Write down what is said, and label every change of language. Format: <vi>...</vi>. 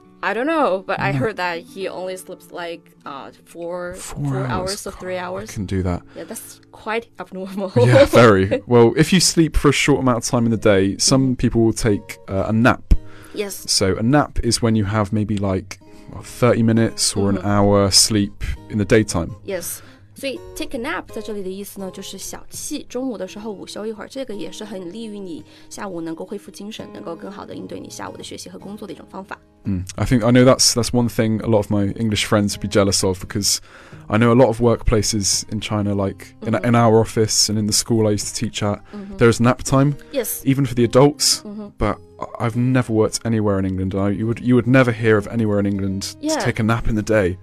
<en>I don't know, but I heard that he only sleeps like four hours or 3 hours. I can do that. Yeah, that's quite abnormal. Yeah, very. Well, if you sleep for a short amount of time in the day, some people will take a nap. Yes. So a nap is when you have maybe like 30 minutes or an hour sleep in the daytime. Yes.</en> <zh>So</zh> <en>take a nap</en> <zh>在这里的意思呢就是小憩中午的时候午休一会儿这个也是很利于你下午能够恢复精神能够更好的应对你下午的学习和工作的一种方法。</zh> <en>I think I know that's one thing a lot of my English friends would be jealous of because I know a lot of workplaces in China like in our office and in the school I used to teach at, there's nap time. Yes. Even for the adults, but I've never worked anywhere in England. You would never hear of anywhere in England to take a nap in the day.</en>